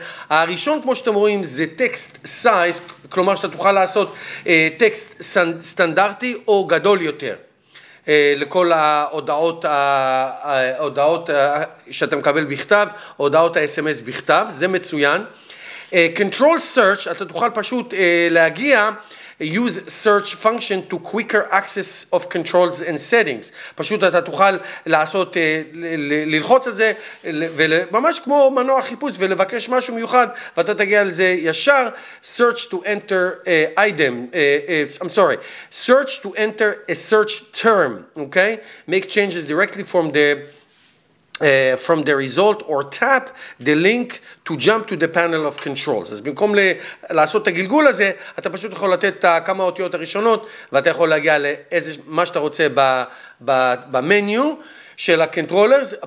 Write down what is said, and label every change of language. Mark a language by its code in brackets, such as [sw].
[he] הראשון, כמו שאתם רואים, זה טקסט סייז, כלומר שאתה תוכל לעשות טקסט סטנדרטי או גדול יותר לכל ההודעות שאתה מקבל בכתב, הודעות ה-SMS בכתב, זה מצוין. [en] Control search, [he] אתה תוכל פשוט להגיע, [en] use search function to quicker access of controls and settings. [he] פשוט אתה תוכל לעשות, ללחוץ על זה, ממש כמו מנוע חיפוש, ולבקש משהו מיוחד, ואתה תגיע לזה ישר. [en] Search to enter item, I'm sorry, search to enter a search term, okay? Make changes directly from the from the result or tap the link to jump to the panel of controls. [he] אז במקום לעשות את הגלגול הזה, אתה פשוט יכול לתת את כמה אותיות הראשונות, ואתה יכול להגיע לאיזה מה שאתה רוצה במניו של הקנטרולרס.